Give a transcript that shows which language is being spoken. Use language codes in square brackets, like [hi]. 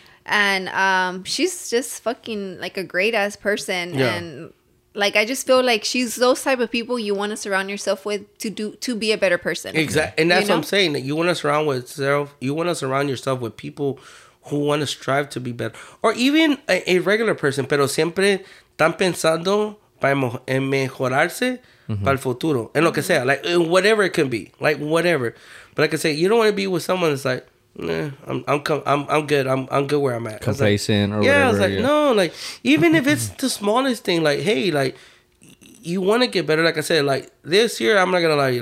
[en] And she's just fucking like a great ass person. Yeah. And like I just feel like she's those type of people you want to surround yourself with to be a better person. Exactly. And that's what I'm saying. That you want to surround yourself with people who want to strive to be better. Or even a regular person, [es] pero siempre están pensando en mejorarse para el futuro. En lo que sea, [en] like, whatever it can be. Like, whatever. But like I say, you don't want to be with someone that's like, I'm good where I'm at. Complacent or whatever. No, like, even if it's the smallest thing, like, hey, like, you want to get better. Like I said, like, this year, I'm not going to lie to you.